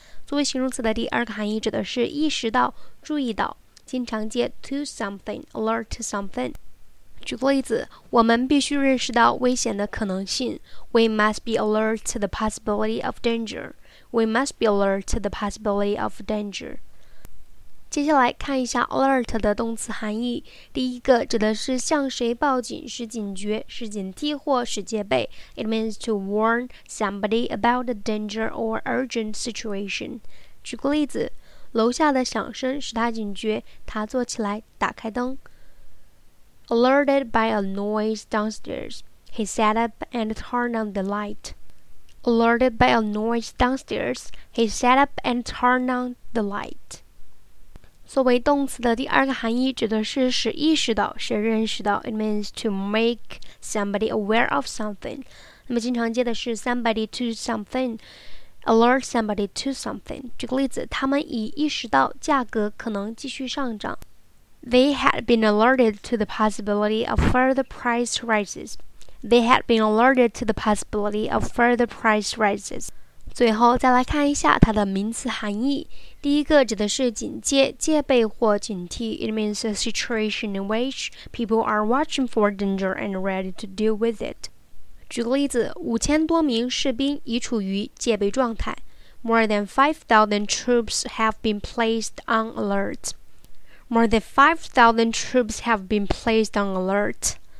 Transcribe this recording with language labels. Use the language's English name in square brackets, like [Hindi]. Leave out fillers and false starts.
[Chinese] 作为形容词的第二个含义指的是意识到、注意到。经常接 [English] to something, alert to something. [Chinese] 举个例子，我们必须认识到危险的可能性。 [English] We must be alert to the possibility of danger. We must be alert to the possibility of danger. [Chinese] 接下来看一下 alert 的动词含义。第一个指的是向谁报警，使警觉，使警惕或使戒备。 [English] It means to warn somebody about a danger or urgent situation. [Chinese] 举个例子，楼下的响声使他警觉，他坐起来打开灯。 [English] Alerted by a noise downstairs, he sat up and turned on the light. Alerted by a noise downstairs, he sat up and turned on the light. [Chinese] 作为动词的第二个含义指的是使意识到、使认识到。 [English] It means to make somebody aware of something. [Chinese] 那么经常接的是 [English] somebody to something. Alert somebody to something. [Chinese] 举个例子，他们已意识到价格可能继续上涨。 [English] They had been alerted to the possibility of further price rises. They had been alerted to the possibility of further price rises. [Chinese] 最后再来看一下它的名词含义。第一个指的是警戒、戒备或警惕。 [English] It means a situation in which people are watching for danger and ready to deal with it. [Chinese] 举个例子，五千多名士兵已处于戒备状态。 [English] More than 5,000 troops have been placed on alert. More than 5,000 troops have been placed on alert.